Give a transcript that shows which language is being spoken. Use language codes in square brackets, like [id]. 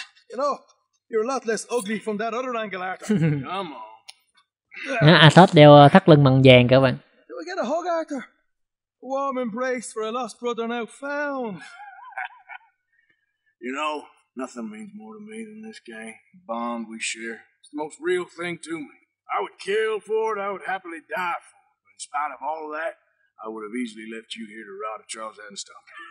[en] You know, you're a lot less ugly from that other angle, Arthur. Come on. [vi] Athos đeo thắt lưng bằng vàng các bạn. [en] Do we get a hug, Arthur? Warm embrace for a lost brother now found. You know, nothing means more to me than this gang. The bond we share. It's the most real thing to me. I would kill for it. I would happily die for it. But in spite of all of that, I would have easily left you here to rot at Charles Anstump.